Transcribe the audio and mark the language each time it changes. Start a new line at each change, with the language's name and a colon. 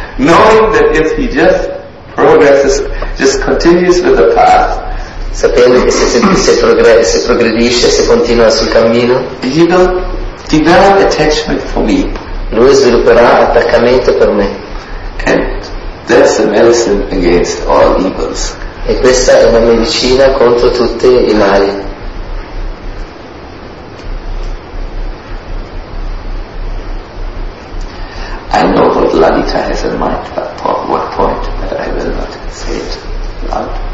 English: Knowing that if he just progresses, just continues with the path.
Italian: Sapendo che se progredisce, se continua sul cammino, lui svilupperà attaccamento per me.
English: And that's the medicine against all evils.
Italian: E questa è la medicina contro tutti i mali.
English: I know what Lalita has in mind, but for what point, but I will not say it loud.